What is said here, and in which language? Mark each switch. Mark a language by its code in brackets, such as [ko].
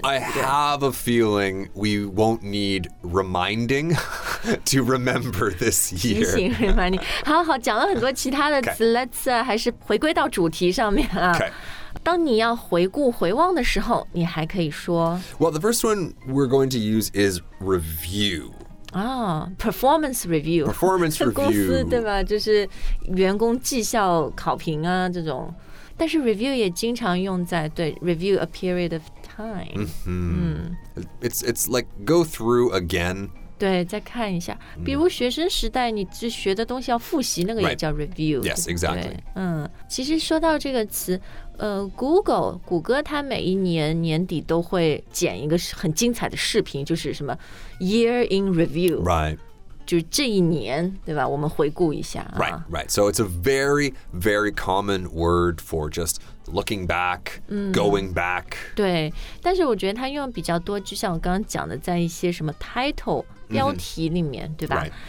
[en] I have a feeling we won't need reminding to remember this year. [zh] 提醒 reminding。好好，讲了很多其他的词、okay. ，Let's 还是回归到主题上面啊。 [en] Okay. [zh] 当你要回顾回望的时候，你还可以说 [en] Well, the first one we're going to use is review. Ah, performance review. Performance review. [zh] 公司对吧？就是员工绩效考评啊这种。但是 review 也经常用在对 [en] review a period of time. It's like go through again. [zh] 对，再看一下。比如学生时代，你这学的东西要复习，那个也叫 review、 [en] right.。 Yes, exactly. [zh] 嗯，其实说到这个词，Google 谷歌它每一年年底都会剪一个很精彩的视频，就是什么 Year in Review。 [en] Right. [zh] 就是这一年，对吧？我们回顾一下、啊。 [en] Right, right. So it's a very, very common word for just. Looking back,、going back. [zh] 对，但是我觉得它用比较多，就像我刚刚讲的，在一些什么 title、标题里面，对吧？